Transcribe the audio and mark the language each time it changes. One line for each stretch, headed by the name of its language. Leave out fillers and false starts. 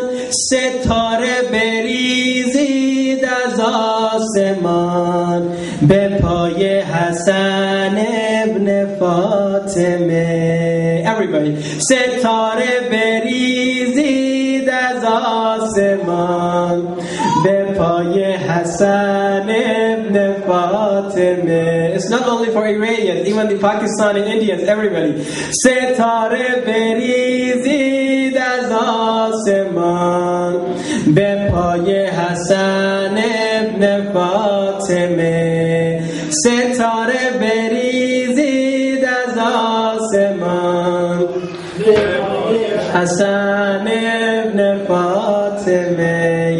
Persian: ستاره بریزید از آسمان، به پای حسن ابن فاطمه.
English: Everybody
Persian: ستاره بریزید از آسمان، به پای حسن ابن فاطمه.
English: It's not only for Iranians, even the Pakistani Indians, everybody.
Persian: ستاره بریزید از آسمان، به پای حسن ابن فاطمه. ستاره بریزید از آسمان، حسن ابن فاطمه.